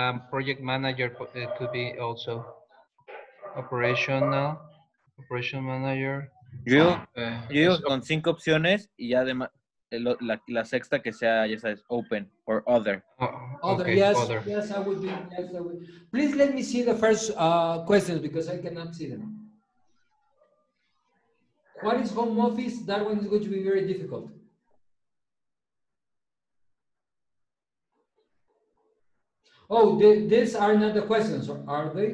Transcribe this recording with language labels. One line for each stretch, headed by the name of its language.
English: Project manager, it could be also operation manager.
Spanish: Yo, con 5 opciones y ya de la sexta que sea, ya sabes,
English: open or other. Okay, yes, other. Yes, I would be, yes, I would. Please let me see the first questions because I cannot see them. What is home office? That one is going to be very difficult. Oh, these are not the questions, are they?